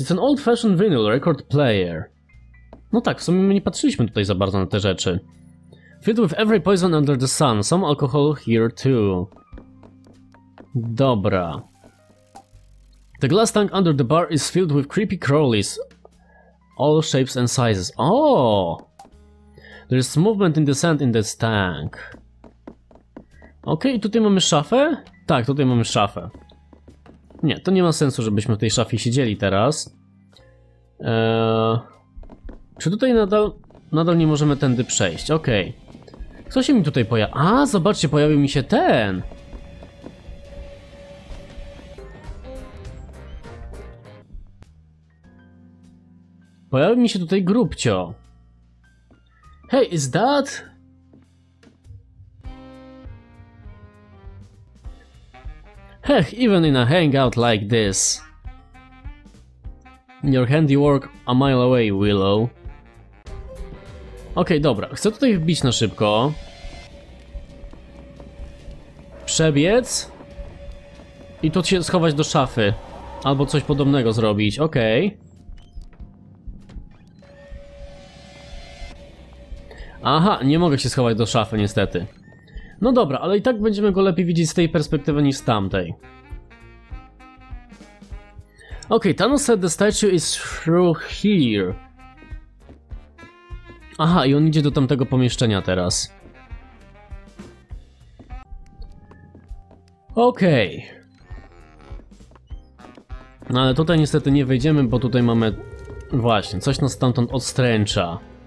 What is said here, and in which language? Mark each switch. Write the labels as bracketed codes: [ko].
[en] It's an old fashioned vinyl record player. [pl] No tak, w sumie my nie patrzyliśmy tutaj za bardzo na te rzeczy. [en] Filled with every poison under the sun. Some alcohol here too. Dobra. The glass tank under the bar is filled with creepy crawlies. All shapes and sizes. O! There is movement in the sand in this tank. [pl] Okej, okay, tutaj mamy szafę? Tak, tutaj mamy szafę. Nie, to nie ma sensu, żebyśmy w tej szafie siedzieli teraz. Czy tutaj nadal nie możemy tędy przejść? Okej. Okay. Co się mi tutaj pojawia? A, zobaczcie, pojawił mi się ten! Pojawił mi się tutaj grubcio. [en] Hey, is that... Heh, even in a hangout like this. Your handiwork a mile away, Willow. [pl] Okej, okay, dobra. Chcę tutaj wbić na szybko. Przebiec. I tu się schować do szafy. Albo coś podobnego zrobić. Okej. Okay. Aha, nie mogę się schować do szafy niestety. No dobra, ale i tak będziemy go lepiej widzieć z tej perspektywy niż z tamtej. [en] Okej, okay, Thanos said the statue is through here. [pl] Aha, i on idzie do tamtego pomieszczenia teraz. Okej. No ale tutaj niestety nie wejdziemy, bo tutaj mamy... Właśnie, coś nas stamtąd odstręcza.